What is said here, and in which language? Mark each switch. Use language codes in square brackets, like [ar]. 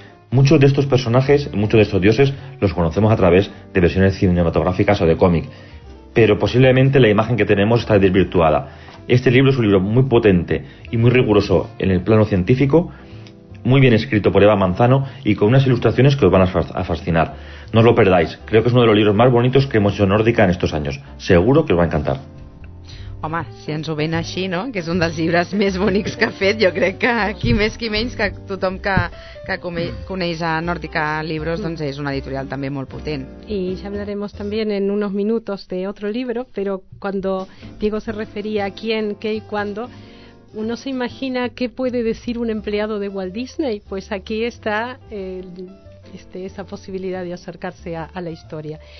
[es] Muchos de estos personajes, muchos de estos dioses, los conocemos a través de versiones cinematográficas o de cómic, pero posiblemente la imagen que tenemos está desvirtuada. Este libro es un libro muy potente y muy riguroso en el plano científico, muy bien escrito por Eva Manzano y con unas ilustraciones que os van a fascinar. No os lo perdáis, creo que es uno de los libros más bonitos que hemos hecho nórdica en estos años. Seguro que os va a encantar. [ca] Home, si ens ho ven així, no? Que és un dels llibres més bonics que ha fet, jo crec que qui més qui menys, que tothom que coneix a Nórdica Libros, doncs és una editorial també molt potent. [es] Y ya hablaremos también en unos minutos de otro libro, pero cuando Diego se refería a quién, qué y cuándo, uno se imagina qué puede decir un empleado de Walt Disney, pues aquí está esa posibilidad de acercarse a la historia.